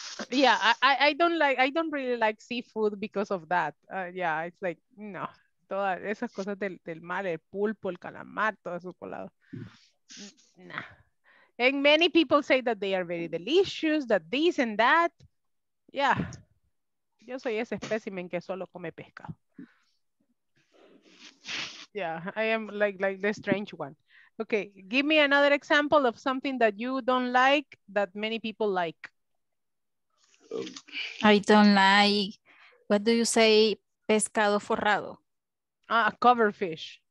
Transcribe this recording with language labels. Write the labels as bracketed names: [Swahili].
[English] Yeah, I don't like, I don't really like seafood because of that. Yeah, it's like, no. [Spanish] Todas esas cosas del mar, el pulpo, el calamar, todo eso colado. Nah. [English] And many people say that they are very delicious, that this and that. Yeah. [Spanish] Yo soy ese specimen que solo come pescado. [English] Yeah, I am like the strange one. Okay, give me another example of something that you don't like that many people like. I don't like, what do you say, [Spanish] pescado forrado? [English] Ah, cover fish.